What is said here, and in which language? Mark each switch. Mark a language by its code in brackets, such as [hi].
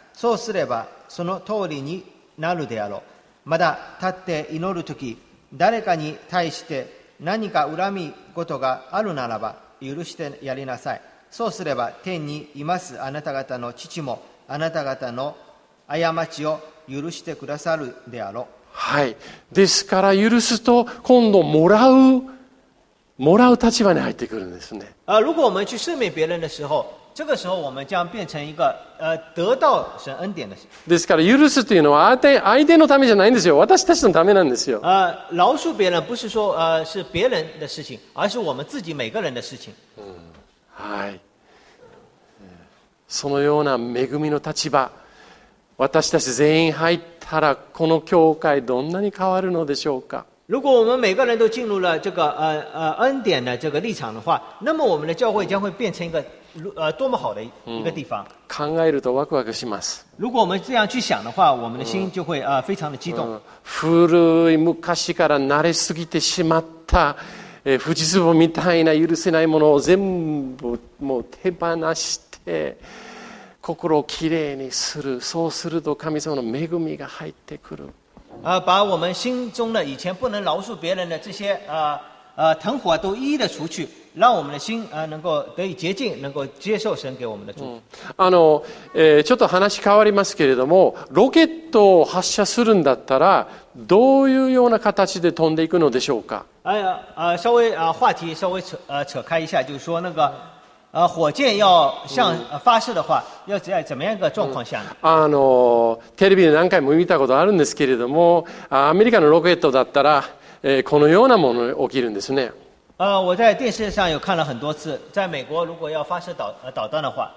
[ja] そうすればその通りになるであろう。まだ立って祈るとき、誰かに対して何か恨み事があるならば許してやりなさい。そうすれば天にいますあなた方の父もあなた方の過ちを許してくださるであろう。はい。ですから許すと今度もらう。もらう立場に入ってくるんですね。 [zh] 如果我们去赦免别人的时候，这个时候我们将变成一个得到神恩典的。 [ja] ですから許すというのは相手のためじゃないんですよ。私たちのためなんですよ。 [zh] 饶恕别人不是说是别人的事情，而是我们自己每个人的事情。 [ja] はい。そのような恵みの立場、私たち全員入ったらこの教会どんなに変わるのでしょうか。 [zh] 如果我们每个人都进入了这个恩典的这个立场的话，那么我们的教会将会变成一个多么好的一个地方。 [ja] 考えるとワクワクします。 [zh] 如果我们这样去想的话，我们的心就会非常的激动。 [ja] 古い昔から慣れすぎてしまった富士壺みたいな許せないものを全部もう手放して心をきれいにする。そうすると神様の恵みが入ってくる。 [zh] 把我们心中的以前不能饶恕别人的这些藤壶都一一的除去，让我们的心能够得以洁净，能够接受神给我们的祝福。 [ja] ちょっと話変わりますけれども、ロケットを発射するんだったらどういうような形で飛んでいくのでしょうか。 [zh] 稍微话题稍微扯开一下，就是说那个火箭要向发射的话，要在怎么样一个状况下呢？ [ja] テレビで何回も見たことあるんですけれども、アメリカのロケットだったら、このようなもの起きるんですね。 [zh] 我在电视上有看了很多次，在美国如果要发射导弹的话，